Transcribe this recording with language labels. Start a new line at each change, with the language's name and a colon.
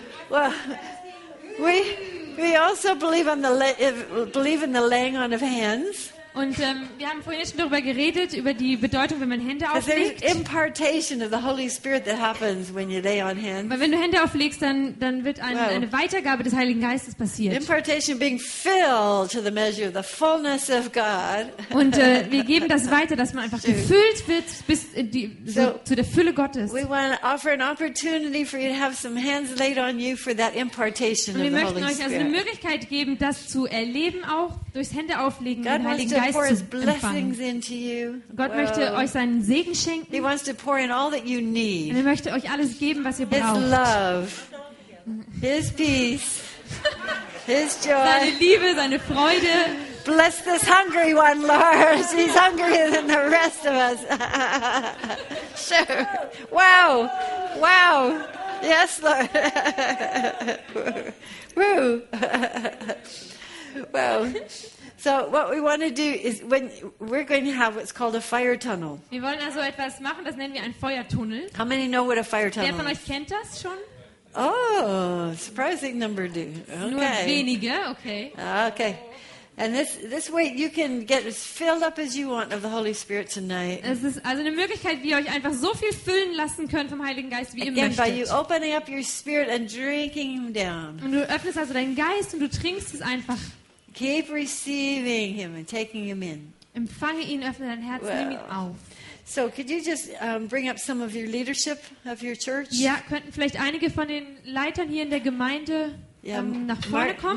English: Well, we also believe on the believe in the laying on of hands.
German: Und wir haben vorhin schon darüber geredet, über die Bedeutung, wenn man Hände auflegt.
English: There's an impartation of the Holy Spirit that happens when you lay on hands.
German: Weil wenn du Hände auflegst, dann wird eine Weitergabe des Heiligen Geistes passiert.
English: Impartation being filled to the measure of the fullness of God.
German: Und wir geben das weiter, dass man einfach gefüllt wird bis zu der Fülle Gottes.
English: We want to offer an opportunity for you to have some hands laid on you for that impartation of the Holy Spirit.
German: Wir möchten euch also eine Möglichkeit geben, das zu erleben auch durchs Hände auflegen im Heiligen Geist.
English: God wants to pour his blessings into you.
German: Gott möchte euch seinen Segen schenken.
English: He wants to pour in all that you need.
German: Und er möchte euch alles geben, was ihr braucht.
English: His love, his peace, his joy.
German: Seine Liebe, seine Freude.
English: Bless this hungry one, Lord. He's hungrier than the rest of us. Sure. Wow. Wow. Yes, Lord. Woo. Wow. So what we want to do is when we're going to have what's called a fire tunnel.
German: Wir wollen also etwas machen, das nennen wir einen Feuertunnel.
English: How many know what a fire tunnel is?
German: Wer von euch kennt das schon?
English: Oh, surprising number do. Okay.
German: Nur wenige, okay.
English: Okay. And this way you can get as filled up as you want of the Holy Spirit tonight.
German: Es ist also eine Möglichkeit, wie ihr euch einfach so viel füllen lassen könnt vom Heiligen Geist, wie ihr
English: Again,
German: möchtet.
English: By you opening up your spirit and drinking him down.
German: Und du öffnest also deinen Geist und du trinkst es einfach.
English: Keep receiving him and taking him in.
German: Empfange ihn, öffne dein Herz, nimm ihn auf.
English: So, could you just bring up some of your leadership of your church?
German: Ja, könnten vielleicht einige von den Leitern hier in der Gemeinde nach vorne kommen?